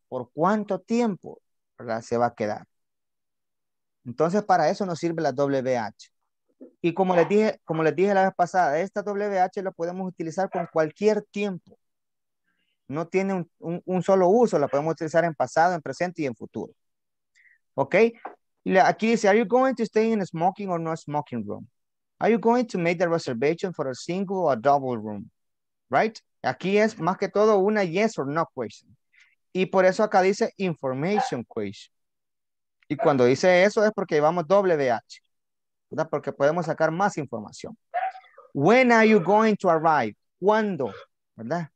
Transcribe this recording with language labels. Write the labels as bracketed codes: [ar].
[es] ¿Por cuánto tiempo, verdad, se va a quedar? Entonces, para eso nos sirve la WH. Y como les dije la vez pasada, esta WH la podemos utilizar con cualquier tiempo. No tiene un solo uso. La podemos utilizar en pasado, en presente y en futuro. ¿Ok? Aquí dice, [en] are you going to stay in a smoking or not smoking room? Are you going to make the reservation for a single or a double room? Right? [es] Aquí es más que todo una yes or no question. Y por eso acá dice information question. Y cuando dice eso es porque llevamos WH. ¿Verdad? Porque podemos sacar más información. [en] When are you going to arrive? [es] ¿Cuándo? ¿Verdad?